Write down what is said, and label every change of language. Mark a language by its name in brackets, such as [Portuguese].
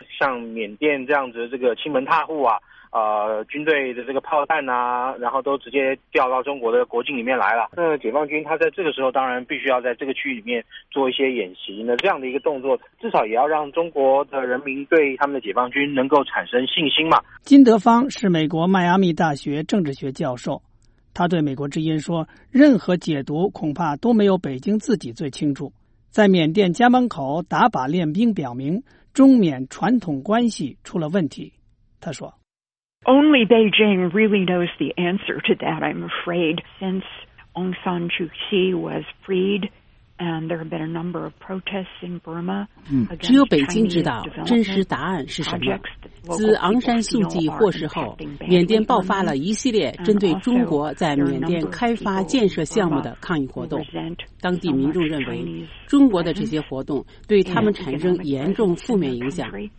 [Chinese] 像缅甸这样子这个亲门踏户啊，军队的这个炮弹啊，然后都直接掉到中国的国境里面来了。那解放军他在这个时候当然必须要在这个区域里面做一些演习，那这样的一个动作至少也要让中国的人民对他们的解放军能够产生信心嘛。金德芳是美国迈阿密大学政治学教授，他对美国之音说，任何解读恐怕都没有北京自己最清楚。在缅甸家门口打靶练兵表明中缅传统关系出了问题。他说， [English] Only Beijing really knows the answer to that, I'm afraid. Since Aung San Suu Kyi was freed, and there have been a number of protests in Burma. [Chinese] 只有北京知道真实答案是什么。自昂山素季获释后，缅甸爆发了一系列针对中国在缅甸开发建设项目的抗议活动。当地民众认为，中国的这些活动对他们产生严重负面影响。